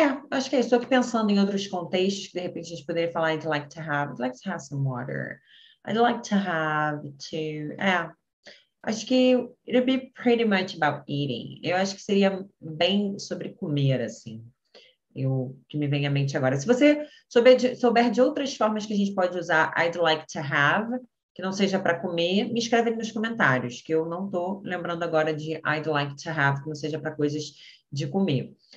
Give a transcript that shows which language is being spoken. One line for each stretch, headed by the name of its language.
Portuguese: Acho que é isso. Estou aqui pensando em outros contextos que de repente a gente poderia falar,
English: I'd like to have some water. I'd like to have to...
Portuguese: Acho que
English: it'd be pretty much about eating.
Portuguese: Eu acho que seria bem sobre comer, assim. O que me vem à mente agora. Se você souber de outras formas que a gente pode usar
English: I'd like to have,
Portuguese: que não seja para comer, me escreve aí nos comentários, que eu não estou lembrando agora de I'd like to have, que não seja para coisas de comer.